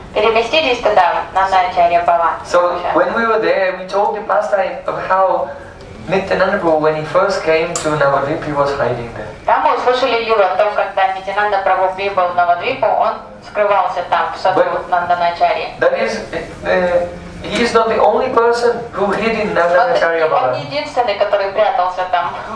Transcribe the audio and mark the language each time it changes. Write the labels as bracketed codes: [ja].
[ru] Переместились туда, на Нанда-ачарья Бхава. [en] So, when we were there, we told the pastime of how Nityananda Prabhu, when he first came to Navadvip, he was hiding there. [ru] Там мы услышали Юру о том, когда Нитянанда Прабху прибыл в Навадвипу, он скрывался там, в саду Нанда-ачарья. [en] That is, he is not the only person who hid in Nanda-ачарья Бхава. [ru] Он не единственный, который прятался там,